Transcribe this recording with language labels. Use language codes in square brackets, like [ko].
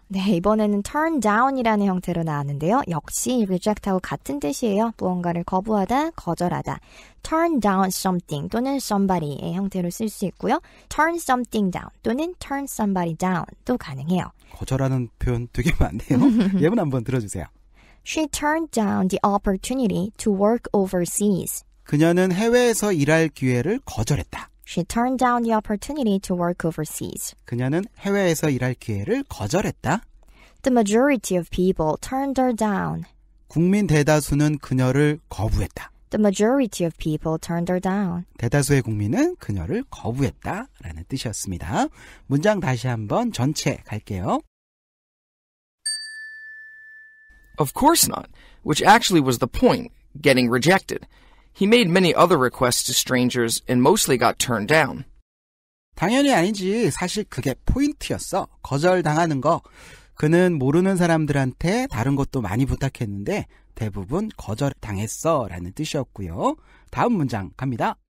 [ko] 네, 이번에는 turn down이라는 형태로 나왔는데요. 역시 reject하고 같은 뜻이에요. 무언가를 거부하다, 거절하다. turn down something 또는 somebody의 형태로 쓸 수 있고요. [en] turn something down 또는 turn somebody down도 가능해요. [ko] 거절하는 표현 되게 많네요. 예문 한번 들어주세요. [en] She turned down the opportunity to work overseas. [ko] 그녀는 해외에서 일할 기회를 거절했다. [en] She turned down the opportunity to work overseas. [ko] 그녀는 해외에서 일할 기회를 거절했다. [en] The majority of people turned her down. [ko] 국민 대다수는 그녀를 거부했다. [en] The majority of people turned her down. [ko] 대다수의 국민은 그녀를 거부했다 라는 뜻이었습니다. 문장 다시 한번 전체 갈게요. [en] Of course not, which actually was the point, getting rejected. He made many other requests to strangers and mostly got turned down. [ko] 당연히 아니지. 사실 그게 포인트였어. 거절당하는 거. 그는 모르는 사람들한테 다른 것도 많이 부탁했는데 대부분 거절당했어 라는 뜻이었고요. 다음 문장 갑니다.